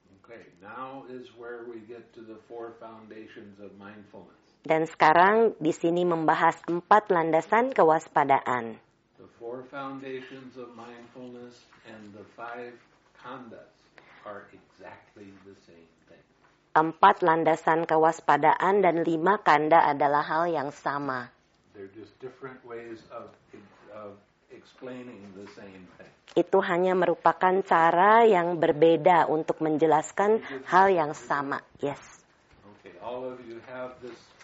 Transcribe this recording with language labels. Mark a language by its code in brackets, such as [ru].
[en] Okay, now is where we get to the four foundations of mindfulness. [id] Dan sekarang di sini membahas empat landasan kewaspadaan. [en] The four foundations of mindfulness and the five khandhas are exactly the same thing. [id] Empat landasan kewaspadaan dan lima khandha adalah hal yang sama. [en] They're just different ways of explaining the same thing. [id] Itu hanya merupakan cara yang berbeda untuk menjelaskan hal yang sama. Yes. [en] Okay, all of you have this.